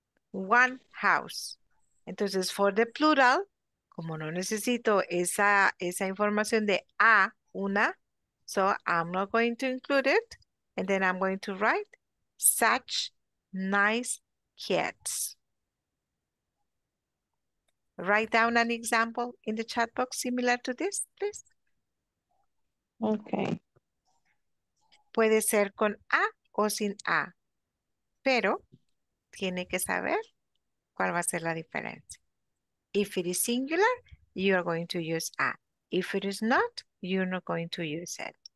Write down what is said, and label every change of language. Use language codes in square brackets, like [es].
[en] One house. [es] Entonces, [en] for the plural, [es] como no necesito esa información de a una, [en] so I'm not going to include it. And then I'm going to write such nice kids. Write down an example in the chat box similar to this, please. Okay. [es] Puede ser con A o sin A, pero tiene que saber cuál va a ser la diferencia. [en] If it is singular, you are going to use A. If it is not, you're not going to use it.